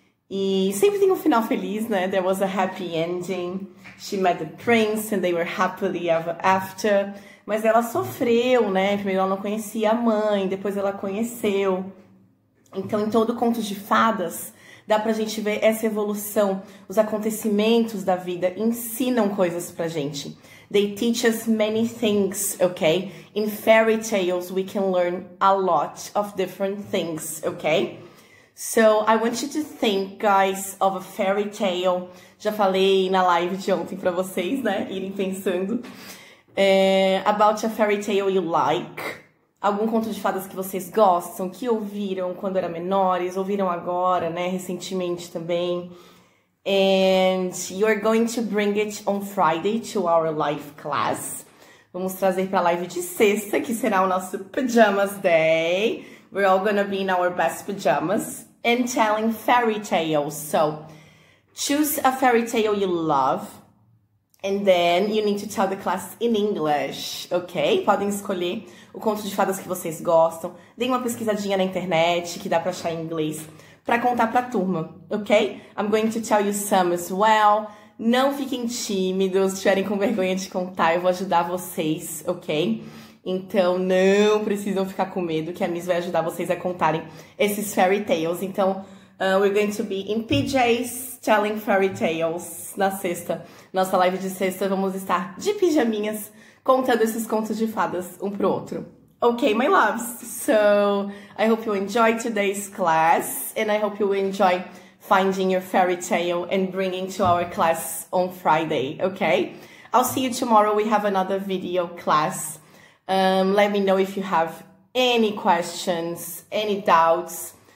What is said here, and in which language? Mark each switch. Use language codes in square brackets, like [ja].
[pt] e sempre tem um final feliz, né, [en] there was a happy ending, she met the prince, and they were happily ever after, [pt] mas ela sofreu, né, primeiro ela não conhecia a mãe, depois ela conheceu, então em todo conto de fadas, dá pra gente ver essa evolução, os acontecimentos da vida ensinam coisas pra gente. [en] They teach us many things, okay? In fairy tales, we can learn a lot of different things, okay? So, I want you to think, guys, of a fairy tale. [pt] Já falei na live de ontem pra vocês, né? Irem pensando. [en] About a fairy tale you like. [pt] Algum conto de fadas que vocês gostam, que ouviram quando eram menores, ouviram agora, né? Recentemente também. [en] And you're going to bring it on Friday to our live class. [pt] Vamos trazer para a live de sexta, que será o nosso pajamas day. [en] We're all gonna be in our best pajamas and telling fairy tales. So, choose a fairy tale you love. And then you need to tell the class in English, ok? [pt] Podem escolher o conto de fadas que vocês gostam. Deem uma pesquisadinha na internet, que dá para achar em inglês, para contar para a turma, ok? [en] I'm going to tell you some as well. [pt] Não fiquem tímidos, se estiverem com vergonha de contar, eu vou ajudar vocês, ok? Então, não precisam ficar com medo, que a Miss vai ajudar vocês a contarem esses fairy tales. [en] Então, we're going to be in PJs telling fairy tales [pt] na sexta. Nossa live de sexta, vamos estar de pijaminhas contando esses contos de fadas um pro outro. [en] Okay, my loves, so I hope you enjoy today's class and I hope you enjoy finding your fairy tale and bringing to our class on Friday, okay? I'll see you tomorrow. We have another video class. Let me know if you have any questions, any doubts.